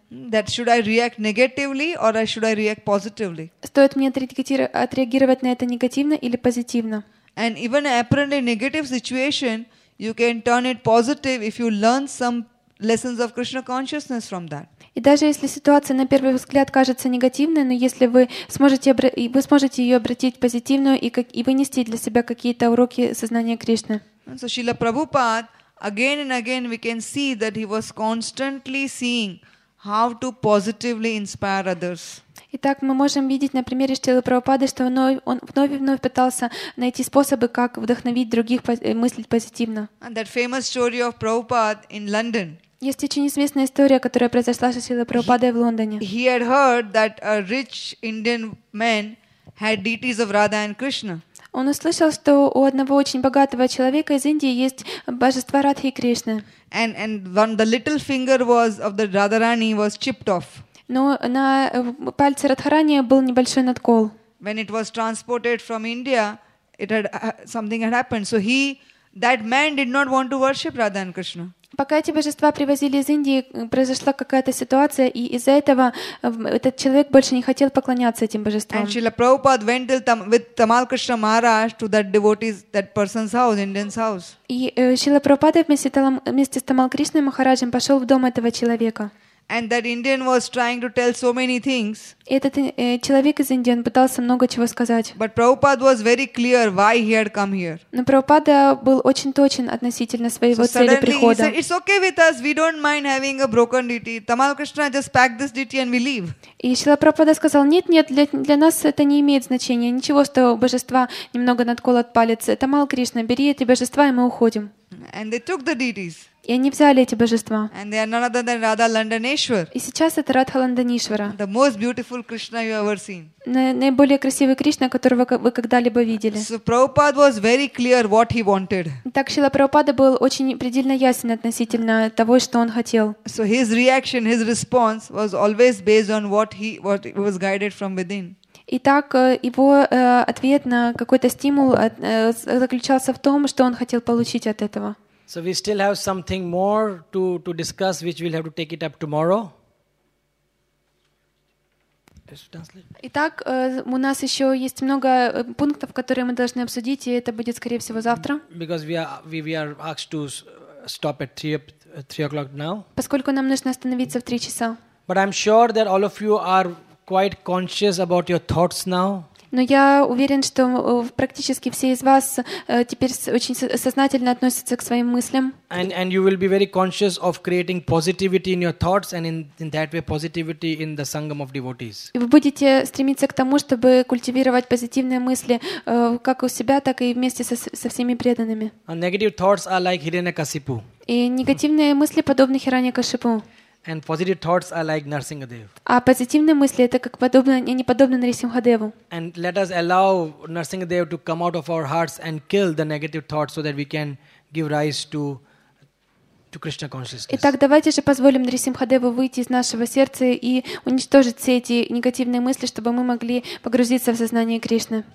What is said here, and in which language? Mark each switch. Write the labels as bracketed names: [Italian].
[English] That should I react negatively or should I react positively? [Russian] Стоит мне отреагировать на это негативно или позитивно? [English] And even apparently negative situation, you can turn it positive if you learn some lessons of Krishna consciousness from that. [Russian] И даже если ситуация на первый взгляд кажется негативной, но если вы сможете ее обратить в позитивную и вынести для себя какие-то уроки сознания Кришны. [English] So Srila Prabhupada, again and again we can see that he was constantly seeing how to positively inspire others. [Russian] Итак, мы можем видеть на примере Шрилы Прабхупады, что он вновь и вновь пытался найти способы, как вдохновить других мыслить позитивно. [English] And that famous story of Prabhupada in London. [Russian] Есть очень известная история, которая произошла со Шрилой Прабхупадой в Лондоне. [English] He had heard that a rich Indian man had deities of Radha and Krishna. [Russian] Он услышал, что у одного очень богатого человека из Индии есть божества Радхи и Кришны. [English] And one, the little finger was of the Radharani was chipped off. [Russian] Но на пальце Радхарани был небольшой надкол. [English] When it was transported from India, something had happened. So that man did not want to worship Radha and Krishna. [Russian] Пока эти божества привозили из Индии, произошла какая-то ситуация, и из-за этого этот человек больше не хотел поклоняться этим божествам. [English] And Srila Prabhupada went with Tamal Krishna Maharaj to that devotee's, that person's house, Indian's house. [Russian] И Srila Prabhupada вместе с Tamal Krishna Maharajem пошел в дом этого человека. [English] And that Indian was trying to tell so many things. [Russian] Этот человек из Индии пытался много чего сказать. [English] But Prabhupada was very clear why he had come here. [Russian] Но Прабхупада был очень точен относительно своего цели прихода. [English] So suddenly, it's okay with us. We don't mind having a broken deity. Tamal Krishna just pack this deity and we leave. [Russian] И Шрила Прабхупада сказал: нет, для нас это не имеет значения. Ничего, что божества немного надкол отпалится. Тамал Кришна, бери эти божества и мы уходим. [English] And they took the deities. [Russian] И они взяли эти божества. [English] And they are none other than Radha Landaneshwar. [Russian] И сейчас это Радха Ланданишвара. [English] The most beautiful Krishna you ever seen. [Russian] Наиболее красивый Кришна, которого вы когда-либо видели. [English] So Prabhupada was very clear what he wanted. [Russian] Так Шрила Прабхупада был очень предельно ясен относительно того, что он хотел. [English] So his reaction, his response was always based on what he was guided from within. [Russian] Итак, его ответ на какой-то стимул заключался в том, что он хотел получить от этого. [English] So we still have something more to discuss, which we'll have to take it up tomorrow. [Russian] Итак, у нас еще есть много пунктов, которые мы должны обсудить, и это будет, скорее всего, завтра. [English] Because we are asked to stop at 3 o'clock now. [Russian] Поскольку нам нужно остановиться в 3 часа. [English] But I'm sure that all of you are quite conscious about your thoughts now. [Russian] Но я уверен, что практически все из вас теперь очень сознательно относятся к своим мыслям. [English] And you will be very conscious of creating positivity in your thoughts and in that way positivity in the sangam of devotees. [Russian] И вы будете стремиться к тому, чтобы культивировать позитивные мысли как у себя, так и вместе со всеми преданными. [English] And negative thoughts are like Hiranyakashipu. [Russian] И негативные мысли подобны Хиранякашипу. [English] And positive thoughts are like Narsingadev. [Russian] А позитивные мысли это как подобно, не подобно Нарисимхадеву. [English] And let us allow Narsingadev to come out of our hearts and kill the negative thoughts so that we can give rise to Krishna consciousness. [Russian] Итак, давайте же позволим Нарисимхадеву выйти из нашего сердца и уничтожить все эти негативные мысли, чтобы мы могли погрузиться в сознание Кришны.